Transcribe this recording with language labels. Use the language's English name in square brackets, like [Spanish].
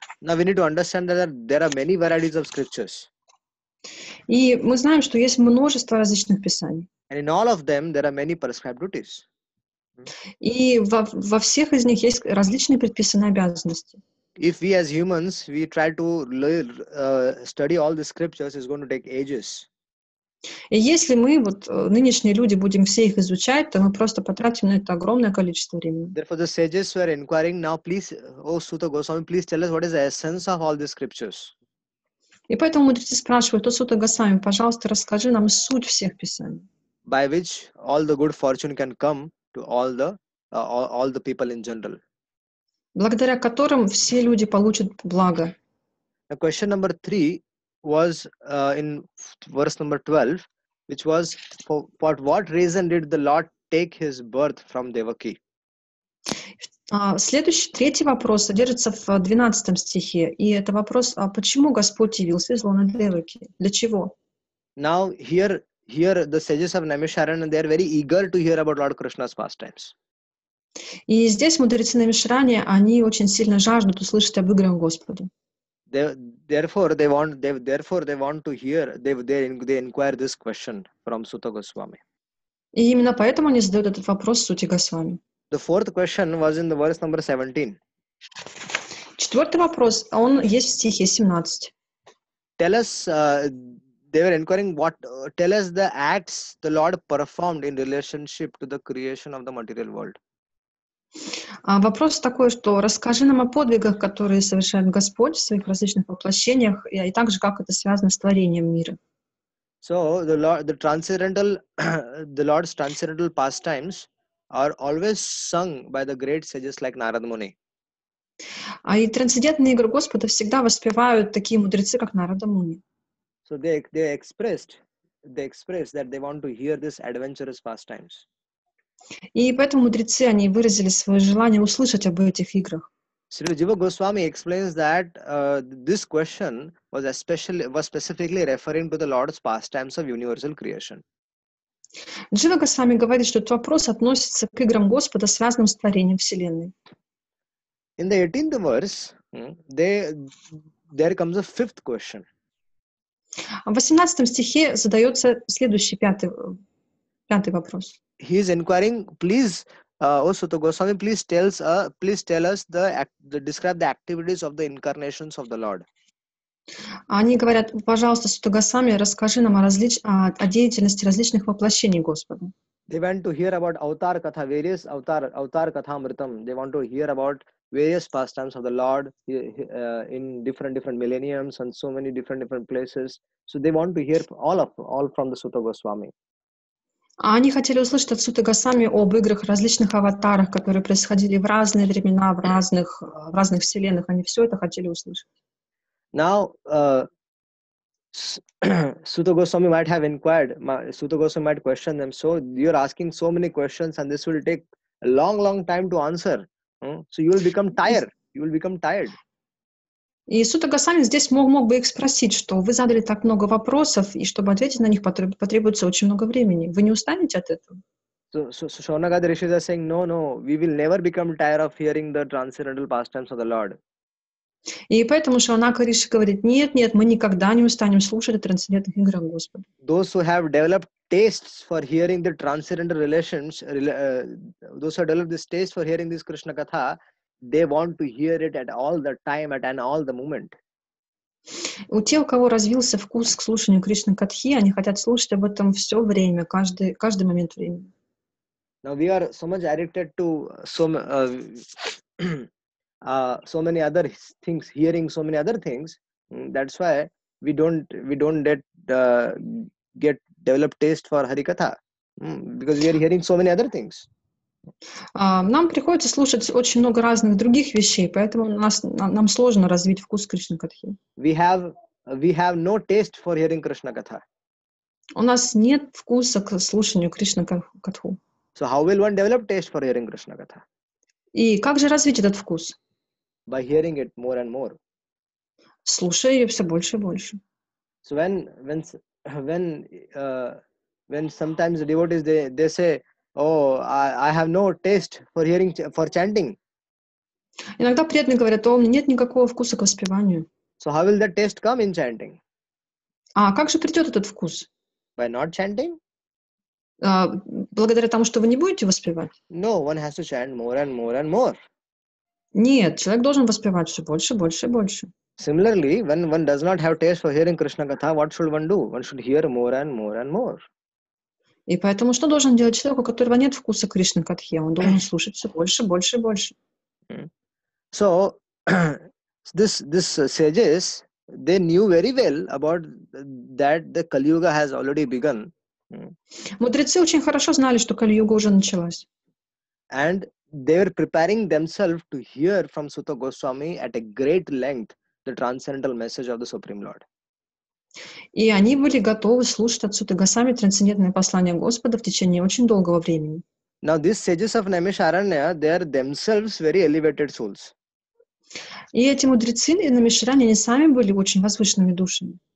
[English] Now we need to understand that there are many varieties of scriptures. [Russian] И мы знаем, что есть множество различных писаний. [English] And in all of them, there are many prescribed duties. [Russian] И во всех из них есть различные предписанные обязанности. [English] If we as humans, we try to study all the scriptures, it's going to take ages. [Russian] И если мы, вот нынешние люди, будем все их изучать, то мы просто потратим на это огромное количество времени. [English] Therefore, the sages were inquiring, now please, O Suta Goswami, please tell us what is the essence of all the scriptures. [Russian] И поэтому мудрецы спрашивают, Сута Госвами, пожалуйста, расскажи нам суть всех писаний. [English] By which all the good fortune can come to all the people in general. [Russian] Благодаря которым все люди получат благо. [English] Now, question number 3 was in verse number 12, which was, for what reason did the Lord take his birth from Devaki? [Russian] Следующий, третий вопрос содержится в 12 стихе. И это вопрос, а почему Господь явился из лона Деваки? Для чего? [English] Now, here the sages of Naimisharanya, they are very eager to hear about Lord Krishna's pastimes. [Russian] И здесь мудрецы Наимишарани, они очень сильно жаждут услышать об играх Господа. [English] They inquire this question from Suta Goswami. [Russian] И именно поэтому они задают этот вопрос Сути Госвами. [English] The fourth question was in the verse number 17. [Russian] Четвертый вопрос, он есть в стихе 17. [English] Tell us, they were inquiring what, tell us the acts the Lord performed in relationship to the creation of the material world. [Russian] Вопрос такой, что расскажи нам о подвигах, которые совершает Господь в своих различных воплощениях, и также как это связано с творением мира. [English] So, the Lord's transcendental pastimes are always sung by the great sages like Narada Muni. [Russian] И трансцендентные игры Господа всегда воспевают такие мудрецы, как Narada Muni. [English] So they expressed that they want to hear this adventurous pastimes. [Russian] И поэтому мудрецы, они выразили свое желание услышать об этих играх. [English] Sri Jiva Goswami explains that this question was specifically referring to the Lord's pastimes of universal creation. [Russian] Джива Госвами говорит, что этот вопрос относится к играм Господа, связанным с творением Вселенной. [English] In the 18th verse, there comes a fifth question. [Russian] В 18 стихе задается следующий, пятый вопрос. [English] He is inquiring, please, Suta Goswami, please tell us describe the activities of the incarnations of the Lord. [Russian] Они говорят, пожалуйста, Святой Госвами, расскажи нам о деятельности различных воплощений Господа. [English] They want to hear about avatar katha, various avatar katha amritam. They want to hear about various pastimes of the Lord in different millenniums and so many different places. So they want to hear all from the Sutta Goswami. [Russian] Они хотели услышать от Сутты Госвами об играх различных аватарах, которые происходили в разные времена, в разных вселенных. Они все это хотели услышать. [English] Now, Sutta Goswami might have inquired, Sutta Goswami might question them. So you're asking so many questions and this will take a long, long time to answer. So you will become tired. [Russian] И Сутта Госвами здесь мог бы их спросить, что вы задали так много вопросов, и чтобы ответить на них потребуется очень много времени. Вы не устанете от этого? [English] So Shonagada Rishis are saying, no, we will never become tired of hearing the transcendental pastimes of the Lord. [Russian] И поэтому Шонака Риши говорит, нет, мы никогда не устанем слушать о трансцендентных играх Господа. [English] Those who have developed tastes for hearing the transcendental relations, those who have developed this taste for hearing this Krishna Katha, they want to hear it at all the time, at and all the moment. [Russian] У тех, у кого развился вкус к слушанию Кришны Катхи, они хотят слушать об этом все время, каждый момент времени. [English] Now we are so much addicted to so many other things, hearing so many other things. That's why we don't get developed taste for Harikatha. Because we are hearing so many other things. [Russian] Нам приходится слушать очень много разных других вещей, поэтому нам сложно развить вкус Кришна Катхи. [English] We have no taste for hearing Krishna Katha. [Russian] У нас нет вкуса к слушанию Кришна Катху. [English] So how will one develop taste for hearing Krishna Katha? [Russian] И как же развить этот вкус? [English] By hearing it more and more. [Russian] Слушая ее все больше и больше. [English] So when sometimes the devotees they say, oh, I have no taste for hearing for chanting. [Russian] Иногда преданные говорят, у меня нет никакого вкуса к воспеванию. [English] So how will that taste come in chanting? [Russian] А как же придет этот вкус? [English] By not chanting? [Russian] Благодаря тому, что вы не будете воспевать? [English] No, one has to chant more and more and more. [Russian] Нет, человек должен воспевать все больше, больше и больше. [English] Similarly, when one does not have taste for hearing Krishna Katha, what should one do? One should hear more and more and more. [Russian] И поэтому что должен делать человек, у которого нет вкуса к Кришна Катхи? Он должен слушать все больше, больше и больше. [English] So, this sages, they knew very well about that the Kali Yuga has already begun. [Russian] Мудрецы очень хорошо знали, что Кали Юга уже началась. [English] And they were preparing themselves to hear from Sutta Goswami at a great length the transcendental message of the Supreme Lord. [Russian] И они были готовы слушать от Сутты Госвами трансцендентное послание Господа в течение очень долгого времени. [English] Now, these sages of Namisharanya, they are themselves very elevated souls. [Russian] И эти мудрецы и Намишаранья, они сами были очень возвышенными душами.